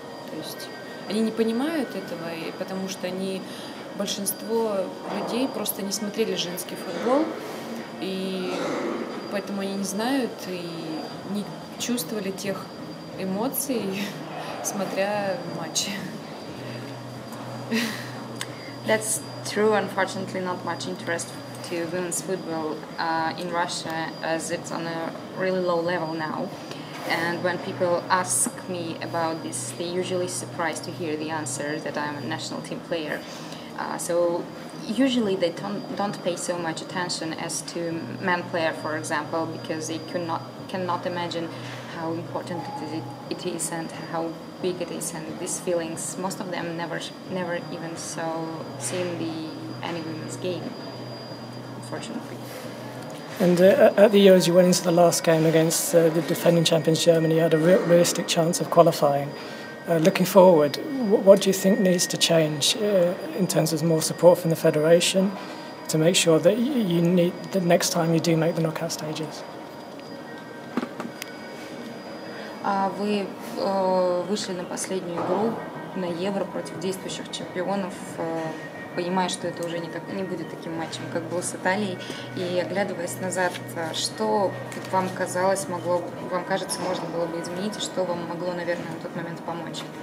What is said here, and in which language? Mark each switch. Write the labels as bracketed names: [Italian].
[Russian] То есть они не понимают этого, и потому что они, большинство людей просто не смотрели женский футбол, и поэтому они не знают и не чувствовали тех эмоций, смотря матчи. [English] That's true, unfortunately not much interest to women's football in Russia, as it's on a really low level now. And when people ask me about this, they usually surprised to hear the answer that I'm a national team player. So usually they don't pay so much attention as to men player, for example, because they cannot imagine how important it is and how big it is, and these feelings, most of them never even seen any women's game, unfortunately. And at the Euros, you went into the last game against the defending champions Germany. You had a realistic chance of qualifying. Looking forward, what do you think needs to change in terms of more support from the federation to make sure that you need the next time you do make the knockout stages? [Russian] Вы вышли на последнюю игру на Евро против действующих чемпионов. Понимая, что это уже не будет таким матчем, как был с Италией, и оглядываясь назад, что вам казалось, вам кажется, можно было бы изменить, и что вам могло, наверное, на тот момент помочь?